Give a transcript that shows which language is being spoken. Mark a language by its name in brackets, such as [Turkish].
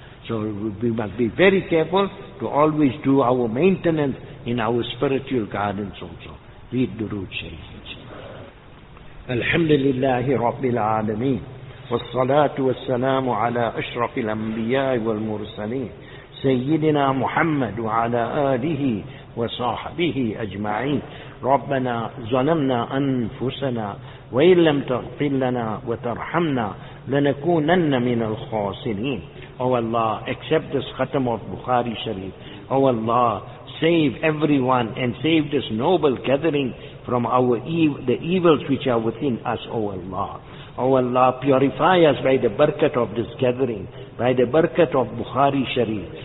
[English] So we must be very careful to always do our maintenance in our spiritual gardens also. Read the Durood Sharif. [Arabic] Alhamdulillahi Rabbil Alameen, wassalatu wassalamu ala ashrafil anbiya wal mursaleen, سيدنا محمد وعلى آله وصحبه أجمعين. ربنا ظلمنا أنفسنا وإن لم تغفر لنا وترحمنا لنكونن من الخاسرين. [English] Oh Allah, accept this khatam of Bukhari Sharif. Oh Allah, save everyone and save this noble gathering from the evils which are within us, oh Allah. Oh Allah, purify us by the barakat of this gathering, by the barakat of Bukhari Sharif.